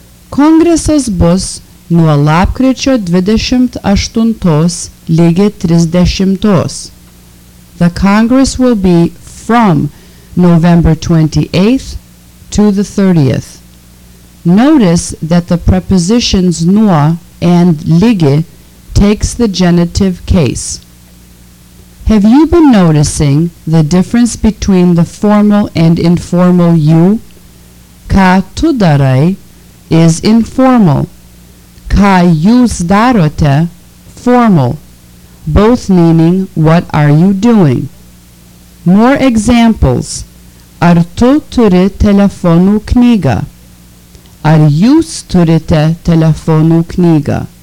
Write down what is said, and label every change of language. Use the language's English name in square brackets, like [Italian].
[Lithuanian] Kongresas bus nuo lapkričio 28 ligi 30. [English] The Congress will be from November 28th to the 30th. Notice that the prepositions nuo and ligi takes the genitive case. Have you been noticing the difference between the formal and informal you? [Lithuanian] Ką tu darai [English] is informal. [Lithuanian] Ką jūs darote, [English] formal. Both meaning, what are you doing? More examples. [Lithuanian] Ar tu turi telefonų knygą? Ar jūs turite telefonų knygą?